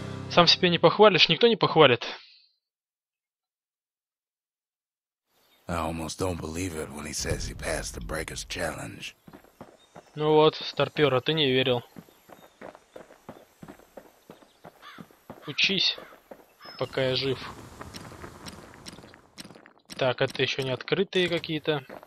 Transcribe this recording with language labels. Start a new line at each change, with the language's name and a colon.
Russian: Сам себе не похвалишь, никто не похвалит.
English: I almost don't believe it when he says he passed the Breakers challenge.
Russian: Ну вот, старпёр, а ты не верил. Учись, пока я жив. Так, это еще не открытые какие-то.